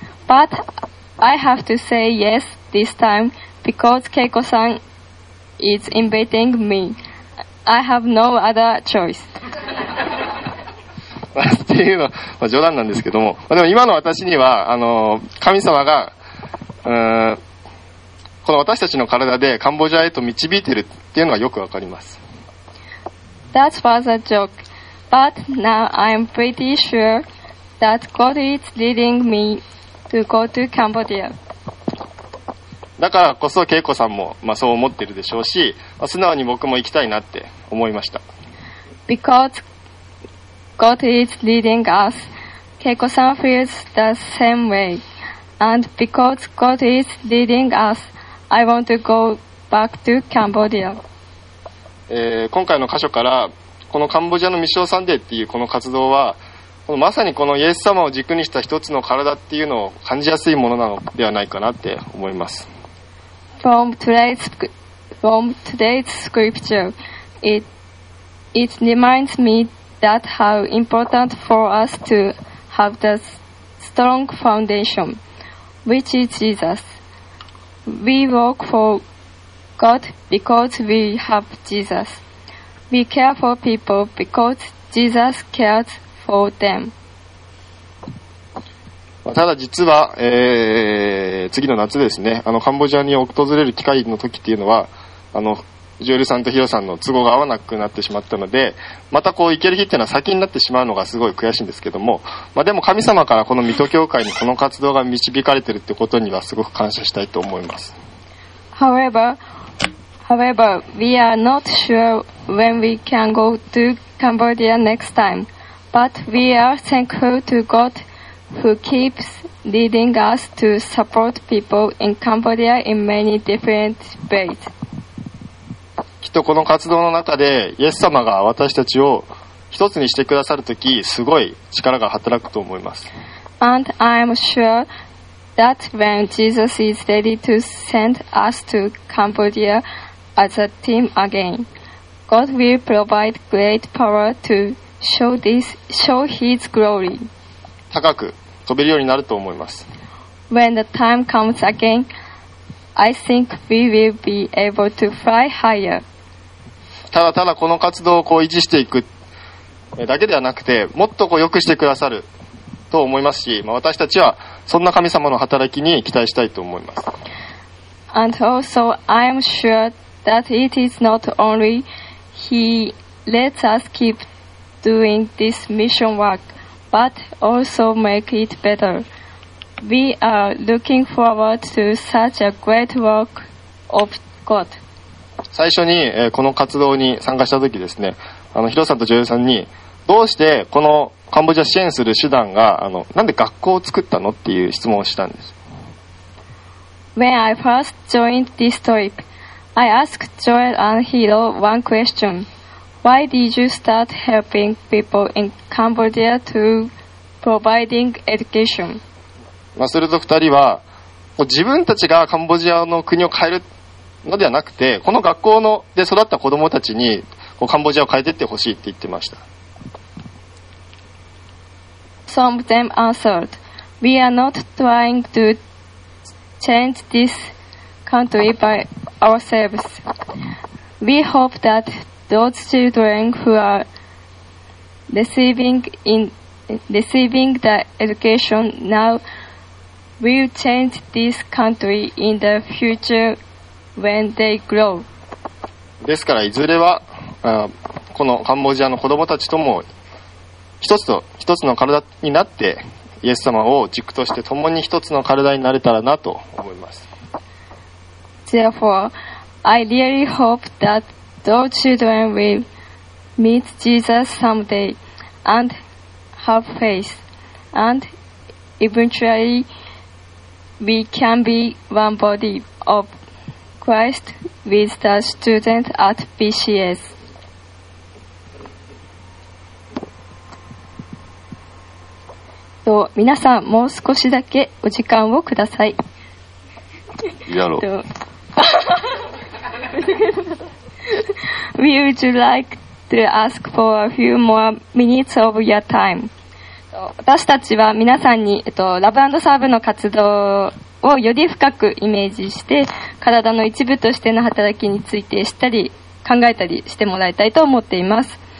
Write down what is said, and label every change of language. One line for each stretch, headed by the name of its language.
English: But I have to say yes this time because 恵子さん is inviting me. I have no other choice.
Japanese: っていうのは、まあ、冗談なんですけども、まあ、でも今の私には神様がこの私たちの体でカンボジアへと導いてるっていうのはよくわかります。
English: That was a joke, but now I'm pretty sure that God is leading me to go to Cambodia.
Japanese: だからこそ恵子さんも、まあ、そう思ってるでしょうし、まあ、素直に僕も行きたいなって思いました。
English: BecauseGod is leading us. Keiko san feels the same way. And because God is leading us, I want to go back to Cambodia.
Japanese: 今回の箇所から、このカンボジアのミッションサンデーっていうこの活動は、このまさにこのイエス様を軸にした一つの体っていうのを感じやすいものなのではないかなって思います。
English: From today's scripture, it reminds me that how important for us to have the strong foundation, which is Jesus. We work for God because we have Jesus. We care for people because Jesus cares for them.
Japanese: ただ実は、次の夏ですね、カンボジアに訪れる機会の時っていうのは、ジュエルさんとヒロさんの都合が合わなくなってしまったので、またこう行ける日っていうのは先になってしまうのがすごい悔しいんですけども、まあ、でも神様からこの水戸教会にこの活動が導かれてるってことにはすごく感謝したいと思います。
English: However, we are not sure when we can go to Cambodia next time, but we are thankful to God who keeps leading us to support people in Cambodia in many different ways.
Japanese: きっとこの活動の中でイエス様が私たちを一つにしてくださるとき、すごい力が働くと思います。
English: And I'm sure that when Jesus is ready to send us to Cambodia as a team again, God will provide great power to show his glory.
Japanese: 高く飛べるようになると思います。
English: When the time comes again, I think we will be able to fly higher.
Japanese: ただただこの活動をこう維持していくだけではなくて、もっとこう良くしてくださると思いますし、まあ、私たちはそんな神様の働きに期待したいと思います。
English: And also I am sure that it is not only he lets us keep doing this mission work but also make it better. We are looking forward to such a great work of God.
Japanese: 最初に、この活動に参加した時ですね、ヒロさんとジョエルさんにどうしてこのカンボジア支援する手段がなんで学校を作ったのっていう質問をしたんです。
English: When I first joined this trip, I asked Joel and Hiro one question. Why did you start helping people in Cambodia to providing education?
Japanese: まあ、すると二人は自分たちがカンボジアの国を変えるのではなくて、この学校ので育った子どもたちにこうカンボジアを変えていってほしいって言ってました。
English: Some of them answered, We are not trying to change this country by ourselves. We hope that those children who are receiving the education now will change this country in the futureWhen they grow.
Japanese: ですからいずれはこのカンボジアの子どもたちとも一つの体になって、イエス様を軸として共に一つの体になれたらなと思います。
English: Therefore, I really hope that those children will meet Jesus someday and have faith, and eventually we can be one body ofChrist with the student at BCS.
Japanese: と皆さんもう少しだけお時間をください。やろう。
English: Would you like to ask for a few more minutes of your time?
Japanese: 私たちは皆さんに、ラブ&サーブの活動をより深くイメージして、体の一部としての働きについて知ったり考えたりしてもらいたいと思っています。